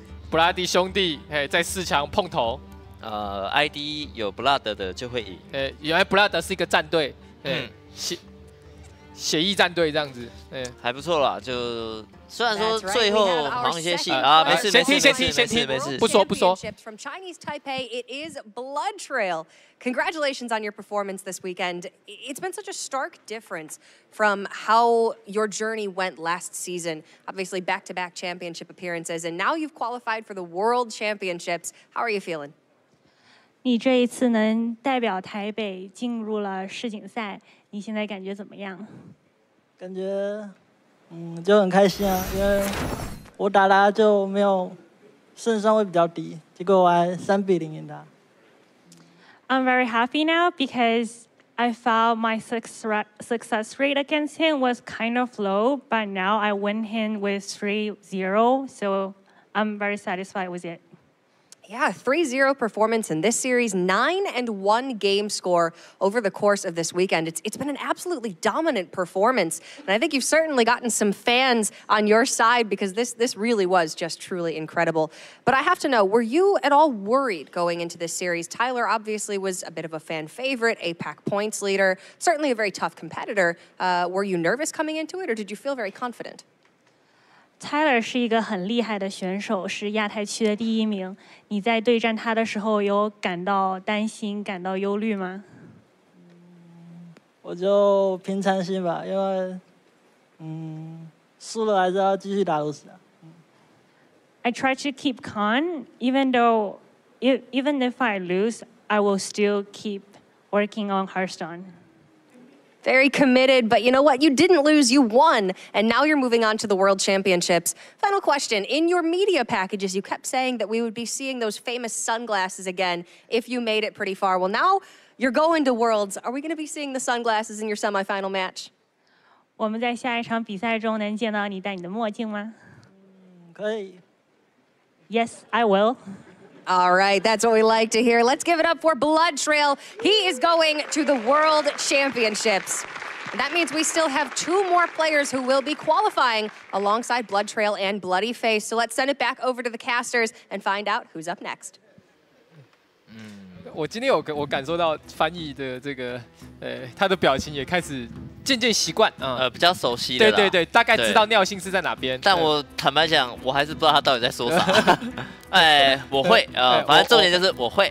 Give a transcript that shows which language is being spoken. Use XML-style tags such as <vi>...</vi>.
<zh>布拉迪兄弟，在四强碰头。 ID 有 Blood 的就会赢。原来 Blood 是一个战队。协议战队这样子，还不错啦。就虽然说最后忙一些戏啊，没事，先听先听先听，没事，不说不说。</zh> <en>From Chinese Taipei, it is Blood Trail. Congratulations on your performance this weekend. It's been such a stark difference from how your journey went last season. Obviously, back-to-back championship appearances, and now you've qualified for the World Championships. How are you feeling?</en> <zh>你这一次能代表台北进入了世锦赛，你现在感觉怎么样？感觉，就很开心啊，因为我打他就没有胜算会比较低，结果我还3-0赢他。</zh> <en>I'm very happy now because I felt my success rate against him was kind of low, but now I win him with 3-0, so I'm very satisfied with it. Yeah, 3-0 performance in this series, 9-1 game score over the course of this weekend. It's been an absolutely dominant performance. And I think you've certainly gotten some fans on your side because this really was just truly incredible. But I have to know, were you at all worried going into this series? Tyler obviously was a bit of a fan favorite, APAC points leader, certainly a very tough competitor. Were you nervous coming into it or did you feel very confident?</en> <zh>Tyler 是一个很厉害的选手，是亚太区的第一名。你在对战他的时候有感到担心、感到忧虑吗？我就平常心吧，因为输了还是要继续打都是。</zh> <en>I try to keep calm, even if I lose, I will still keep working on Hearthstone. Very committed, but you know what? You didn't lose, you won. And now you're moving on to the World Championships. Final question, in your media packages, you kept saying that we would be seeing those famous sunglasses again if you made it pretty far. Well, now you're going to Worlds. Are we going to be seeing the sunglasses in your semifinal match?</en> <zh>我们在下一场比赛中能见到你戴你的墨镜吗？可以。</zh> <en>Yes, I will. All right, that's what we like to hear. Let's give it up for Blood Trail. He is going to the World Championships. And that means we still have two more players who will be qualifying alongside Blood Trail and Bloody Face. So let's send it back over to the casters and find out who's up next.</en> <zh>我今天我感受到翻译的这个，他的表情也开始渐渐习惯，比较熟悉的啦，对对对，大概知道尿性是在哪边。但我坦白讲，我还是不知道他到底在说啥。哎，我会啊，反正重点就是我会，</zh>